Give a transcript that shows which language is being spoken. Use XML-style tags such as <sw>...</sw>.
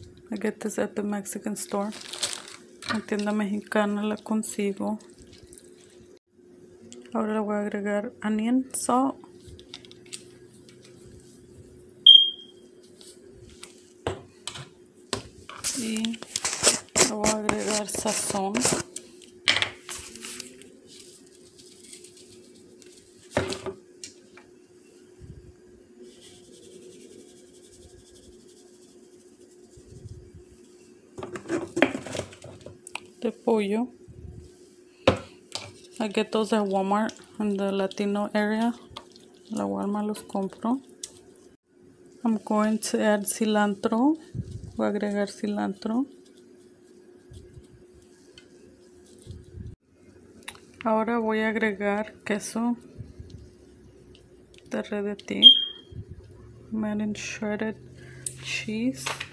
<en>I get this at the Mexican store.</en> <es>En tienda mexicana la consigo. Ahora le voy a agregar onion salt. Y le voy a agregar sazón. De pollo.</es> <en>I get those at Walmart in the Latino area.</en> <es>La Walmart los compro.</es> <en>I'm going to add cilantro.</en> <es>Voy a agregar cilantro. Ahora voy a agregar queso derretido.</es> <en>I'm adding shredded cheese.</en>